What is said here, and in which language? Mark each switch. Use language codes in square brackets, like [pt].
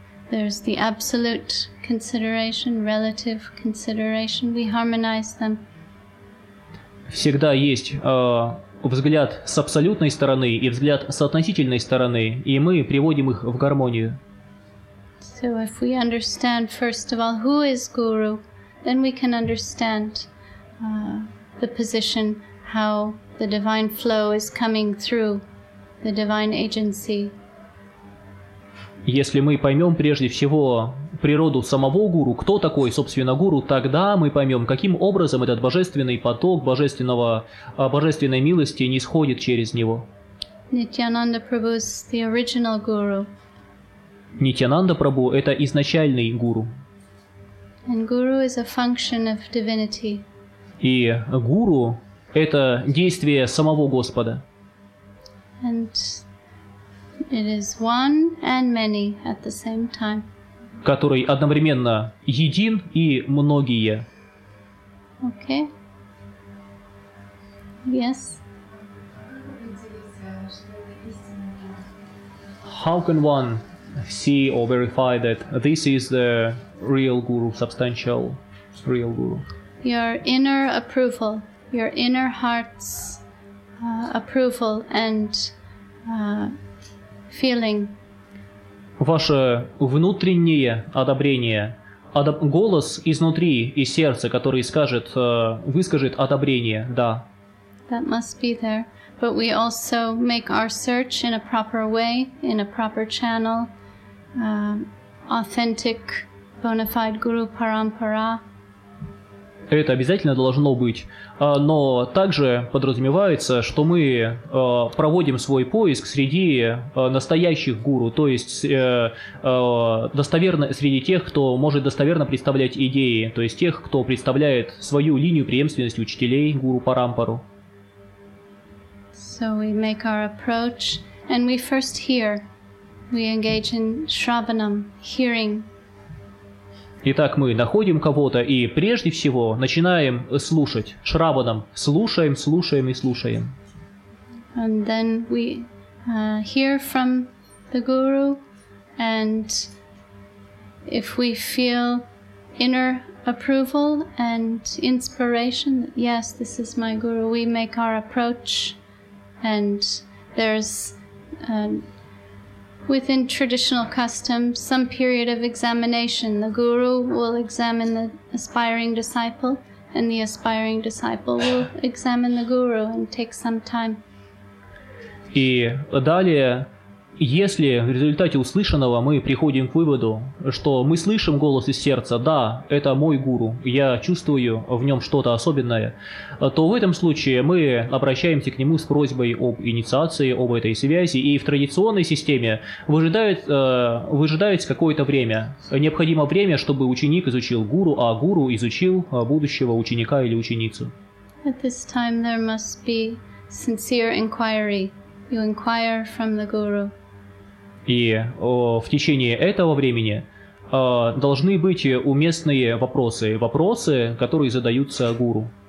[en] There's the absolute consideration, relative consideration. We harmonize them. [ru] Всегда есть взгляд с абсолютной стороны и взгляд с относительной стороны, и мы приводим их в гармонию. [en] So if we understand first of all who is Guru, then we can understand the position, how the divine flow is coming through the divine agency. [ru] Если мы поймем прежде всего природу самого гуру, кто такой, собственно, гуру, тогда мы поймем, каким образом этот божественный поток божественной милости нисходит через него. [en] Nityananda Prabhu is the original guru. [ru] Nityananda Prabhu — это изначальный гуру. [en] And guru is a function of divinity. [ru] И гуру — это действие самого Господа. [en] And it is one and many at the same time. [ru] Который одновременно един и многие. [en] Okay. Yes. How can one see or verify that this is the real guru, substantial real guru? Your inner approval, your inner heart's approval and feeling. [ru] Ваше внутреннее одобрение, голос изнутри и сердце, который скажет, выскажет одобрение, да. [en] That must be there. But we also make our search in a proper way, in a proper channel, authentic, bona fide guru parampara. [ru] Это обязательно должно быть, но также подразумевается, что мы проводим свой поиск среди настоящих гуру, то есть достоверно среди тех, кто может достоверно представлять идеи, то есть тех, кто представляет свою линию преемственности учителей гуру парампару. [en] So we make our approach, and we first hear. We engage in shravanam, hearing. [ru] Итак, мы находим кого-то и прежде всего начинаем слушать шравадам, слушаем, слушаем и слушаем. [en] And then we hear from the guru, and if we feel inner approval and inspiration, yes, this is my guru, we make our approach, and there's within traditional custom, some period of examination, the guru will examine the aspiring disciple, and the aspiring disciple will examine the guru and take some time. [ru] И далее, если в результате услышанного мы приходим к выводу, что мы слышим голос из сердца, да, это мой гуру, я чувствую в нем что-то особенное, то в этом случае мы обращаемся к нему с просьбой об инициации, об этой связи, и в традиционной системе выжидается какое-то время. Необходимо время, чтобы ученик изучил гуру, а гуру изучил будущего ученика или ученицу. [en] At this time there must be sincere inquiry. You inquire from the guru. [ru] И в течение этого времени должны быть уместные вопросы, вопросы, которые задаются гуру.